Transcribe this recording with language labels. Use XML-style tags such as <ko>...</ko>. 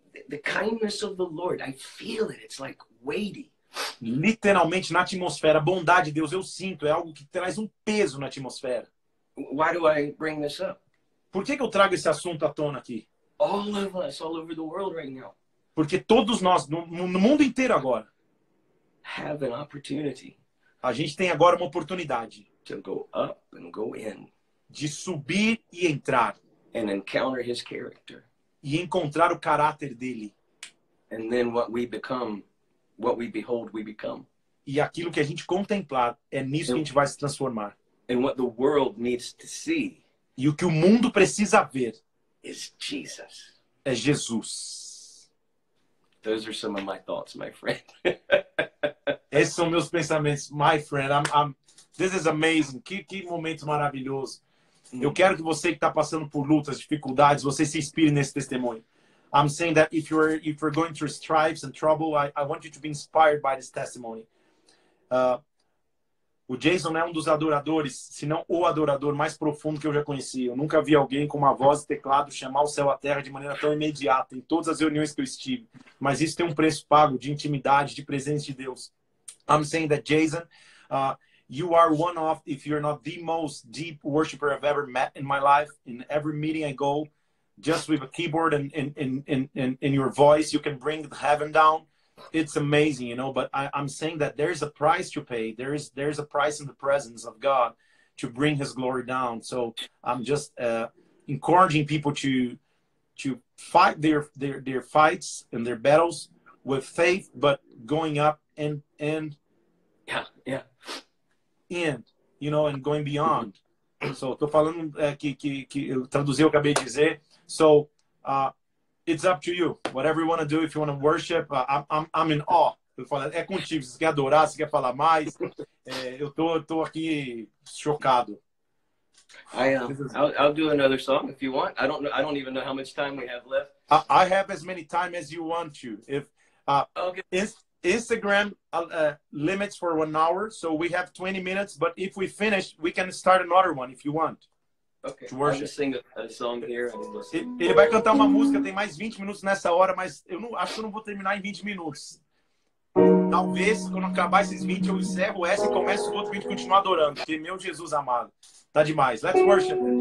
<en>The kindness of the Lord, I feel it. It's like weighty.</en> <pt>Literalmente na atmosfera, a bondade de Deus eu sinto, é algo que traz um peso na atmosfera.</pt> <en>Why do I bring this up?</en> <pt>Por que eu trago esse assunto à tona aqui?</pt> <en>All of us, all over the world right now.</en> <pt>Porque todos nós, no mundo inteiro agora,</pt> <en>have an opportunity.</en> <pt>A gente tem agora uma oportunidade</pt> <en>to go up and go in.</en> <pt>De subir e entrar.</pt> <en>And encounter his character.</en> <pt>E encontrar o caráter dele.</pt> <en>And then what we become, what we behold, we become.</en> <pt>E aquilo que a gente contemplar, é nisso que a gente vai se transformar.</pt> <en>And what the world needs to see.</en> <pt>E o que o mundo precisa ver</pt> <en>is Jesus.</en> <pt>É Jesus.</pt> <en>Those are some of my thoughts, my friend.</en> <pt>Esses são meus pensamentos,</pt> <en>my friend. This is amazing.</en> <pt>Que momento maravilhoso. Eu quero que você que está passando por lutas, dificuldades, você se inspire nesse testemunho.</pt> <en>I'm saying that if you're going through strifes and trouble, I want you to be inspired by this testimony.</en> <pt>O Jason é um dos adoradores, se não o adorador mais profundo que eu já conheci. Eu nunca vi alguém com uma voz e teclado chamar o céu à terra de maneira tão imediata em todas as reuniões que eu estive. Mas isso tem um preço pago de intimidade, de presença de Deus.</pt> <en>I'm saying that Jason, you are one of, if you're not the most deep worshiper I've ever met in my life, in every meeting I go, just with a keyboard and your voice, you can bring the heaven down. It's amazing, you know, but I'm saying that there's a price to pay. There's a price in the presence of God to bring his glory down. So I'm just encouraging people to fight their fights and their battles with faith, but going up and you know, and going beyond.</en> <pt>So tô falando que eu traduzi, eu acabei de dizer.</pt> <en>So it's up to you. Whatever you want to do, if you want to worship, I'm in awe.</en> <pt>Eu falo, é contigo, você quer adorar, você quer falar mais. É, eu tô aqui chocado.</pt> <en>I am. I'll do another song if you want. I don't even know how much time we have left. I have as many time as you want to. If okay. Instagram limits for 1 hour, so we have 20 minutes. But if we finish, we can start another one if you want. Okay. To worship. I'm just sing a song here.</en> <pt>Ele vai cantar uma música. Tem mais 20 minutos nessa hora, mas eu não acho que eu não vou terminar em 20 minutos. Talvez quando acabar esses 20 eu encerro essa e começo o outro 20 e continuar adorando. Porque meu Jesus amado, tá demais.</pt> <en>Let's worship.</en>